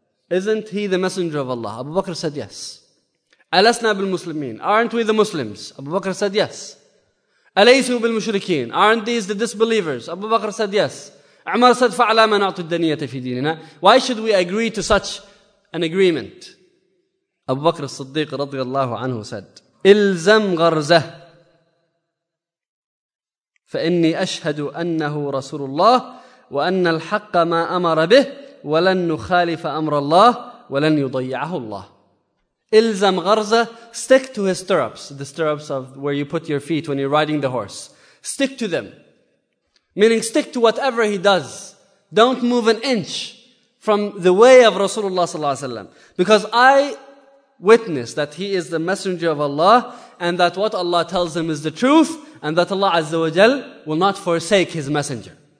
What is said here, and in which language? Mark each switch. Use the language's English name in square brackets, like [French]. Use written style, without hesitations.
[English] Isn't he the messenger of Allah?" Abu Bakr said, "Yes." [Arabic] "Alasna bil Muslimin? [English] Aren't we the Muslims?" Abu Bakr said, "Yes." [Arabic] "Alaysu bil Mushrikeen? [English] Aren't these the disbelievers?" Abu Bakr said, "Yes." Umar said, [Arabic] "Fa'ala man a'ti ad-daniyata fi dinina." [English] Why should we agree to such an agreement? Abu Bakr as-Siddiq radiyallahu anhu said, [Arabic] "Ilzam gharzah, فإني أشهد أنه رسول الله وأن الحق ما أمر به ولن نخالف أمر الله ولن يضيعه الله." إلزم غرزة, [English] stick to his stirrups, the stirrups of where you put your feet when you're riding the horse. Stick to them. Meaning stick to whatever he does. Don't move an inch from the way of Rasulullah sallallahu alayhi wa sallam. Because I witness that he is the messenger of Allah, and that what Allah tells him is the truth, and that Allah Azza wa Jal will not forsake his messenger.